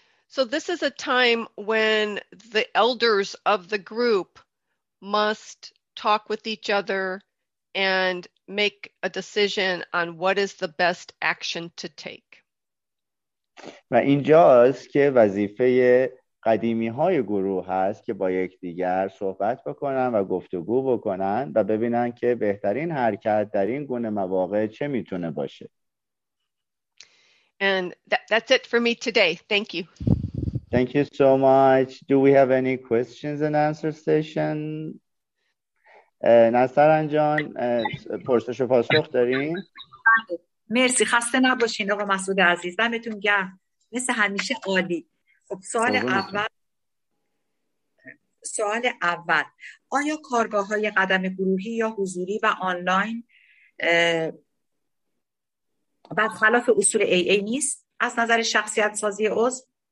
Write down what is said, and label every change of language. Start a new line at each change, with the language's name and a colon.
English: So this is a time when the elders of the group must talk with each other and make a decision on what is the best action to take.
Persian: و اینجاست که وظیفه قدیمی‌های گروه هست که با یکدیگر صحبت بکنن و گفتگو بکنن و ببینن که بهترین حرکت در این گونه مواقع چه میتونه باشه.
English: And that's it for me today. Thank you. Thank you so much. Do we have any questions and answer session?
Persian: نصران جان پرسش و پاسخ داریم؟ مرسی، خسته نباشین آقا مسعود عزیز، دمتون گرم مثل همیشه عالی. خب سوال اول آیا کارگاه های قدم گروهی یا حضوری و آنلاین بعد خلاف اصول AA نیست از نظر شخصیت سازی عضو؟